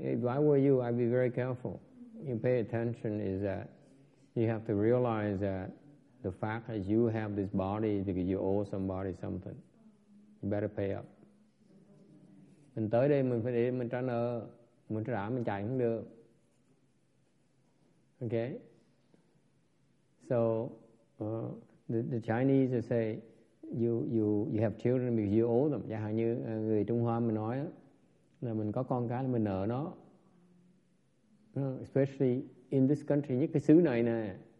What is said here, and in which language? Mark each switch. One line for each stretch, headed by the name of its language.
English: If I were you, I'd be very careful. You pay attention is that you have to realize that the fact that you have this body is because you owe somebody something. You better pay up.
Vietnamese: Mình tới đây mình phải để mình trả nợ, mình trả mình chạy không được.
English: Okay, so the Chinese say you have children because you owe them.
Vietnamese: Chẳng hạn như người Trung Hoa mình nói là mình có con cái là mình nợ nó.
English: Especially in this country,
Vietnamese: những cái xứ này nè.